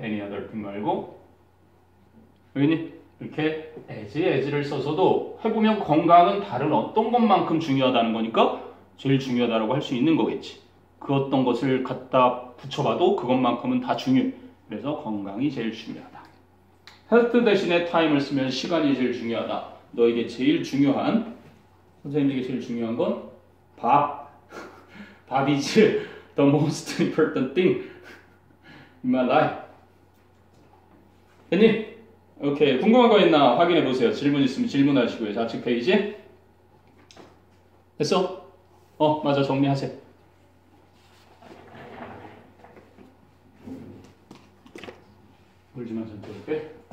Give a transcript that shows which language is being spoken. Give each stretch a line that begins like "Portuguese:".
Korean: any other thing 말고 이렇게 as를 써서도 해보면 건강은 다른 어떤 것만큼 중요하다는 거니까 제일 중요하다고 할 수 있는 거겠지. 그 어떤 것을 갖다 붙여봐도 그것만큼은 다 중요해. 그래서 건강이 제일 중요하다. health 대신에 time을 쓰면 시간이 제일 중요하다. 너에게 제일 중요한, 선생님에게 제일 중요한 건 밥.
English: 밥 is the most important thing in my life.
Korean: 님 오케이 궁금한 거 있나 확인해 보세요. 질문 있으면 질문하시고요. 좌측 페이지 됐어? 어 맞아 정리하세요. 울지만 좀 볼게.